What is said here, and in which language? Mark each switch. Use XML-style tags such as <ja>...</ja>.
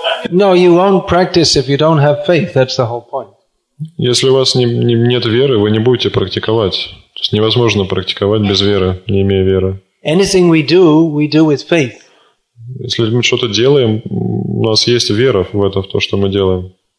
<en>No, you won't practice if you don't have faith. That's the whole point.</en> <ru>Если у вас нет веры, вы не будете практиковать. То есть невозможно практиковать без веры, не имея веры.</ru> <en>Anything we do with faith.</en> <ru>Если мы что-то делаем, у нас есть вера в это, в то, что мы делаем.</ru>